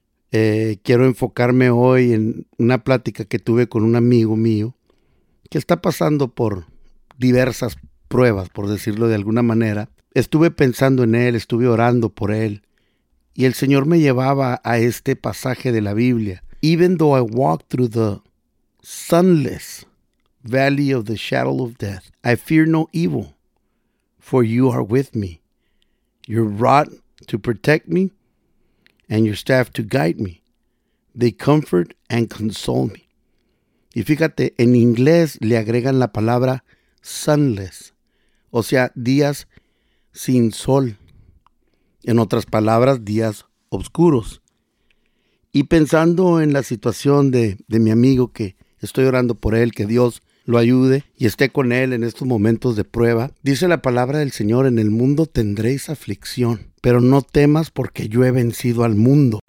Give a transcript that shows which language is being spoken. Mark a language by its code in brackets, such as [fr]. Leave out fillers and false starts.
[es] Quiero enfocarme hoy en una plática que tuve con un amigo mío que está pasando por diversas pruebas, por decirlo de alguna manera. Estuve pensando en él, estuve orando por él, y el Señor me llevaba a este pasaje de la Biblia. [en] Even though I walk through the sunless valley of the shadow of death, I fear no evil, for you are with me. Your rod to protect me, and your staff to guide me. They comfort and console me. [es] Y fíjate, en inglés le agregan la palabra sunless, o sea, días sin sol. En otras palabras, días oscuros. Y pensando en la situación de mi amigo, que estoy orando por él, que Dios lo ayude y esté con él en estos momentos de prueba, dice la palabra del Señor, en el mundo tendréis aflicción, pero no temas porque yo he vencido al mundo.